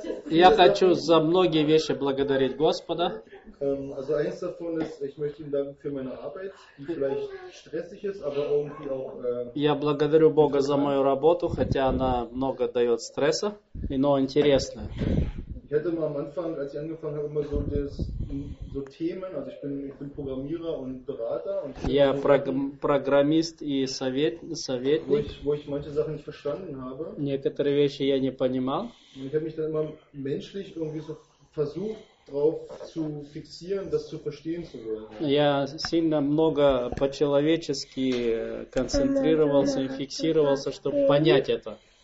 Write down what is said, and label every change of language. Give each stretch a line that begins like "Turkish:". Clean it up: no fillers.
Russian: Я хочу за многие вещи благодарить Господа.
German: Also eins davon ist, ich möchte ihm danken für meine Arbeit, die vielleicht stressig ist, aber irgendwie auch.
Russian: Я благодарю Бога за мою работу, хотя она много дает стресса, но интересная.
German: Ich hatte mal am Anfang, als ich angefangen habe, immer so Themen. Also ich bin Programmierer und Berater. Und
Russian: я программист и советник.
German: Wo ich manche Sachen nicht verstanden habe.
Russian: Некоторые вещи я не понимал.
German: Und ich habe mich dann immer menschlich irgendwie so versucht, drauf zu fixieren, das zu verstehen zu wollen.
Russian: Я сильно много по-человечески концентрировался и фиксировался, чтобы понять это.